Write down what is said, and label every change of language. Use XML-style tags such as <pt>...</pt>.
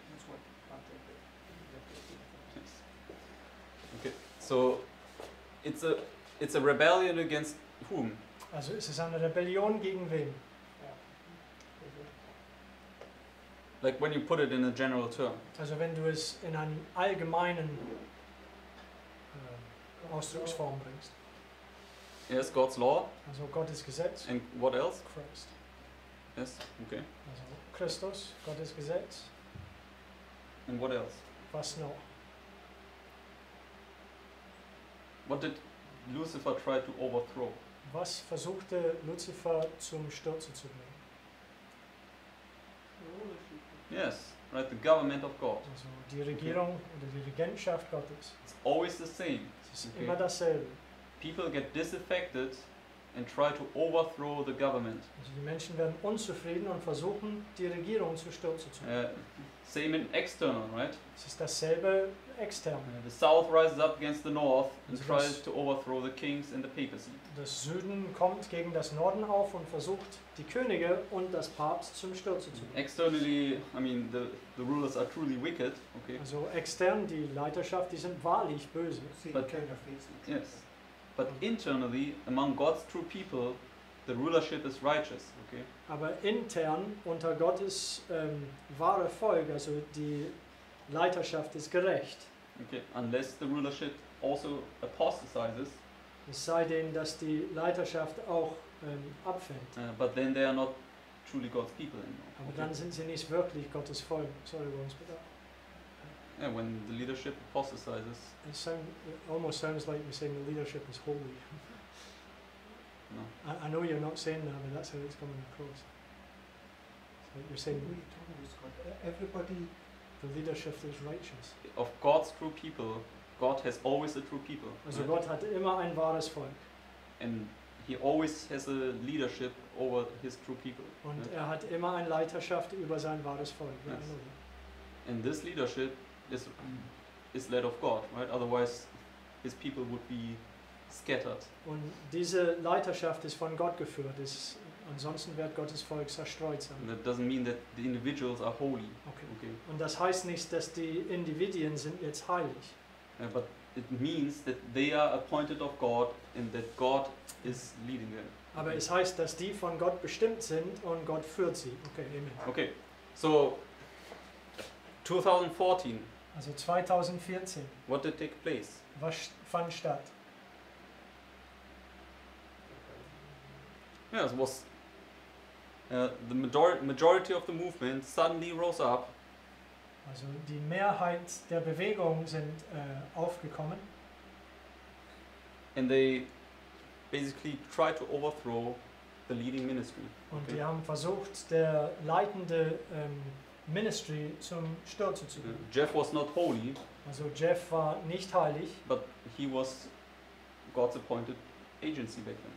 <en>That's what Patrick did. Yes. Okay, so it's a rebellion against whom?</en> <de>Also es ist eine Rebellion gegen wen?</de> <en>Like when you put it in a general term.</en> <de>Also wenn du es in einen allgemeinen Ausdrucksform bringst.</de> <en>Yes, God's law.</en> <de>Also Gottes Gesetz.</de> <en>And what else? Christ. Yes, okay.</en> <de>Also Christus, Gottes Gesetz.</de> <en>And what else?</en> <de>Was noch?</de> <en>What did Lucifer try to overthrow?</en> <de>Was versuchte Lucifer zum Stürzen zu bringen?</de> <en>Yes, right, the government of God.</en> <de>Also die Regierung okay. Oder die Regentschaft Gottes.</de> <en>It's always the same.</en> <de>Es ist okay. Immer dasselbe.</de> <en>People get disaffected and try to overthrow the government.</en> <de>Also die Menschen werden unzufrieden und versuchen die Regierung zu stürzen.</de> <en>Same in external, right?</en> <de>Es ist dasselbe extern.</de> <en>The south rises up against the north and tries to overthrow the kings and the papacy.</en> <de>Das Süden kommt gegen das Norden auf und versucht die Könige und das Papst zum Stürzen zu bringen.</de> <en>Externally, I mean the rulers are truly wicked, okay?</en> <de>Also extern die Leiterschaft, die sind wahrlich böse.</de> <en>But, yes. But internally, among God's true people, the rulership is righteous. Okay.</en> <de>Aber intern unter Gottes wahre Volk, also die Leiterschaft ist gerecht.</de> <en>Okay. Unless the rulership also apostatizes.</en> <de>Es sei denn, dass die Leiterschaft auch abfällt.</de> <en>But then they are not truly God's people anymore.</en> <de>Aber okay. Dann sind sie nicht wirklich Gottes Volk.</de> <en>Sorry, Lorenz, bitte. Yeah, when the leadership apostatizes. It almost sounds like you're saying the leadership is holy. No. I know you're not saying that, but that's how it's coming across. So you're saying what are you talking about, God? Everybody, the leadership is righteous. Of God's true people, God has always a true people.</en> <de>Also right? Gott hat immer ein wahres Volk.</de> <en>And he always has a leadership over his true people.</en> <de>Und right? Er hat immer eine Leiterschaft über sein wahres Volk.</de> <en>Yes. And this leadership is led of God, right? Otherwise, his people would be scattered.</en> <de>Und diese Leiterschaft ist von Gott geführt. Ist, ansonsten wird Gottes Volk zerstreut sein.</de> <en>And that doesn't mean that the individuals are holy. Okay. Okay.</en> <de>Und das heißt nicht, dass die Individuen sind jetzt heilig.</de> <en>Yeah, but it means that they are appointed of God and that God is leading them.</en> <de>Aber okay. Es heißt, dass die von Gott bestimmt sind und Gott führt sie.</de> <en>Okay, amen. Okay, so 2014.</en> <de>Also 2014.</de> <en>What did take place?</en> <de>Was fand statt?</de> <en>Yeah, it was the majority of the movement suddenly rose up.</en> <de>Also die Mehrheit der Bewegung sind aufgekommen.</de> <en>And they basically tried to overthrow the leading ministry.</en> <de>Und okay. Die haben versucht, der leitende Ministry zum Stürzen zu bringen.</de> <en>Jeff was not holy.</en> <de>Also Jeff war nicht heilig.</de> <en>But he was God's appointed agency back then.</en>